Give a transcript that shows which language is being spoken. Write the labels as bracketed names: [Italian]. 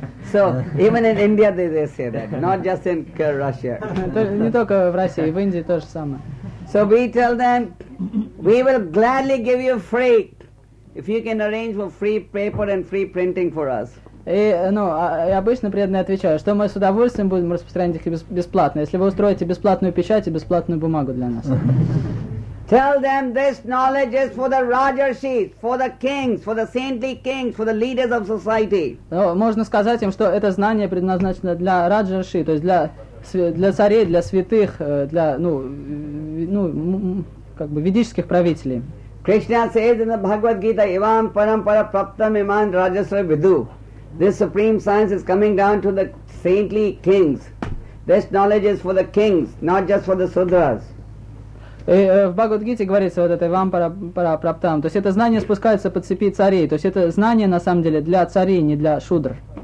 [English] So even in India they say that, not just in Russia. [Russian] Не только в России, в Индии то же самое. [English] So we tell them, we will gladly give you free, if you can arrange for free paper and free printing for us. [Russian] И обычно преданные отвечают, что мы с удовольствием будем распространять их бесплатно, если вы устроите бесплатную печать и бесплатную бумагу для нас. [English] Tell them this knowledge is for the Rajarshis, for the kings, for the saintly kings, for the leaders of society. [Russian] Можно сказать им, что это знание предназначено для Раджарши, то есть для царей, для святых, для ведических правителей. [English] Krishna says in the Bhagavad Gita, Ivam Parampara Praptam Iman Rajasra Vidhu. This supreme science is coming down to the saintly kings. This knowledge is for the kings, not just for the sudras. [Russian] В Бхагавад Гите говорится вот это вам пара праптам. То есть это знание спускается по цепи царей. То есть это знание на самом деле для царей, не для шудр.